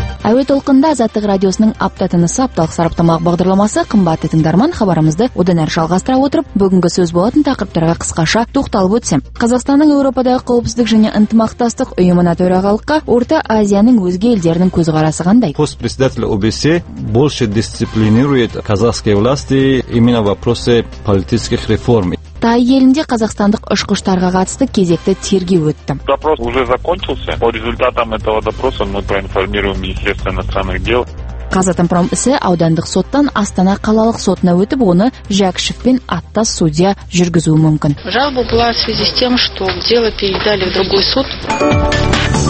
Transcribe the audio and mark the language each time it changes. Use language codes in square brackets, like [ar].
[kk] Әуе толқында Азаттық радиосының аптатынысы апталық сараптамалық бағдарламасы қымбатты тыңдарман хабарымызды одан әрі жалғастыра отырып, бүгінгі сөз болатын тақырыптарға қысқаша тоқталып өтсем. Қазақстанның Еуропадағы қауіпсіздік және ынтымақтастық ұйымына төрағалыққа Орта Азияның өзге елдерінің көзқарасы қандай? [ru] Госпредседатель ОБСЕ больше дисциплинирует казахские власти именно в вопросе политических реформ. [kk] Тай елінде қазақстандық ұшқыштарға қатысты кезекті тергеу өтті. [ru] Допрос уже закончился. По результатам этого допроса мы проинформируем Министерство иностранных дел. [kk] Қазатомпром ісі аудандық соттан Астана қалалық сотына өтіп, оны Жәкішев пен аттас судья жүргізуі мүмкін. [ru] Жалба была в связи с тем, что дело передали в другой суд.